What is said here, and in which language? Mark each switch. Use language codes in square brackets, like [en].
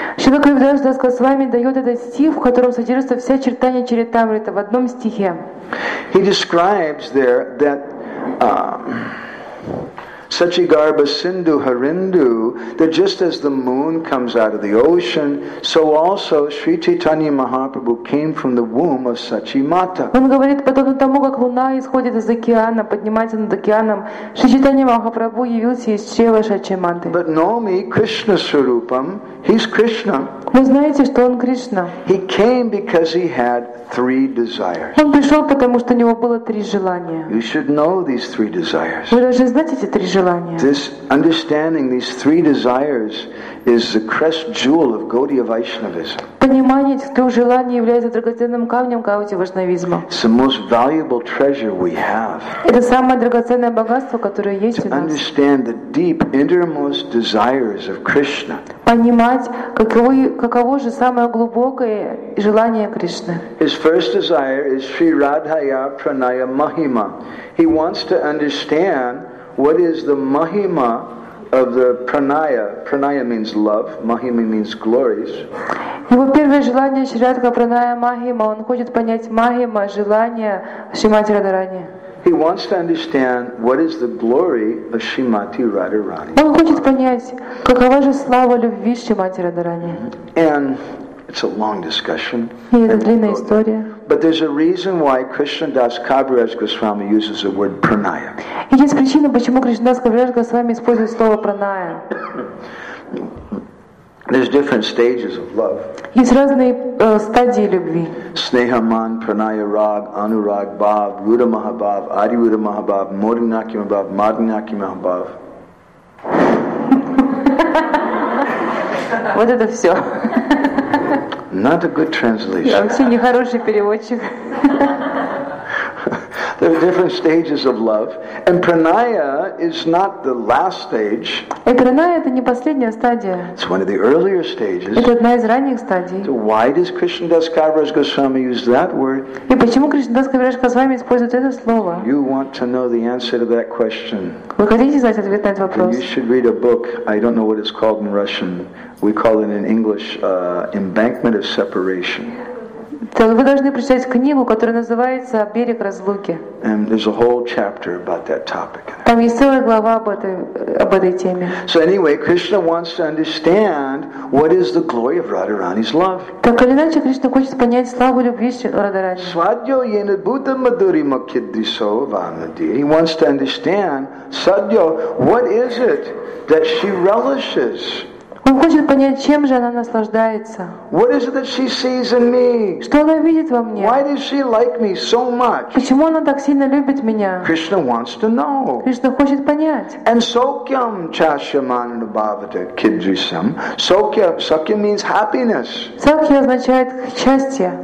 [ru] Shri Kaviraj Goswami дает этот стих, в котором содержится вся Чайтанья Чаритамрита в одном стихе. [en] He describes there that [sa] Sachi Garba Sindhu Harindu, [en] that just as the moon comes out of the ocean, so also Sri Chaitanya Mahaprabhu came from the womb of Sachi Mata. [ru] Он говорит, подобно тому, как луна исходит из океана, поднимается над океаном, Шри Чайтанья Махапрабху явился из чрева Сачи Маты. [en] But know me, Krishna Sarupam, he's Krishna. [ru] Вы знаете, что он Кришна. [en] He came because he had three desires. [ru] Он пришел, потому что у него было три желания. [en] You should know these three desires. [ru] Вы должны знать эти три желания. [en] This understanding these three desires is the crest jewel of Gaudiya Vaishnavism. [ru] Понимание этих трех желаний является драгоценным камнем Гаудия Вайшнавизма. [en] It's the most valuable treasure we have. [ru] Это самое драгоценное богатство, которое есть у нас. [en] To understand the deep innermost desires of Krishna. [ru] Понимать, каково же самое глубокое желание Кришны. [en] His first desire is Sri Radhaya Pranaya Mahima. He wants to understand what is the Mahima of the Pranaya. Pranaya means love. Mahima means glories. [ru] Его первое желание Шри Радха Праная Махима. Он хочет понять Махима, желание Шримати Радхарани. [en] He wants to understand what is the glory of Shrimati Radharani. [ru] Он хочет понять, какова же слава любви Шримати Радхарани. [en] And it's a long discussion. [ru] Это длинная история. [en] But there's a reason why Krishna Das Kaviraj Goswami uses the word pranaya. [ru] Есть причина, почему Кришна Дас Кавираж Госвами использует слово праная. [en] There's different stages of love. [ru] Есть разные стадии любви. [sa] Sneha man, pranaya rag, anurag bhav, ruda mahabhav, adi ruda mahabhav, modinaki mahabhav, madinaki mahabhav. [ru] Вот это все. [en] Not a good translation. [ru] Я вообще не хороший переводчик. [en] There are different stages of love, and pranaya is not the last stage. [ru] И праная это не последняя стадия. [en] It's one of the earlier stages. [ru] Это одна из ранних стадий. [en] So why does Krishna Das Kaviraj Goswami use that word? [ru] И почему Кришна Дас Кавираж Госвами использует это слово? [en] You want to know the answer to that question? [ru] Вы хотите знать ответ на этот вопрос? [en] You should read a book. I don't know what it's called in Russian. We call it in English "Embankment of Separation." [ru] Вы должны прочитать книгу, которая называется «Берег разлуки». [en] And there's a whole chapter about that topic. [ru] Там есть целая глава об этой теме. [en] So anyway, Krishna wants to understand what is the glory of Radharani's love. [ru] Так или иначе, Кришна хочет понять славу любви Радхарани. [sa] Свадьо енет бута мадури макхидрисо ванади. [en] He wants to understand, свадьо, what is it that she relishes? [ru] Он хочет понять, чем же она наслаждается. [en] What is it that she sees in me? [ru] Что она видит во мне? [en] Why does she like me so much? [ru] Почему она так сильно любит меня? [en] Krishna wants to know. [ru] Кришна хочет понять. [sa] And sokyam chashyamanana bhavata kidrisam. [en] Sokya means happiness. [ru] Сокья означает счастье.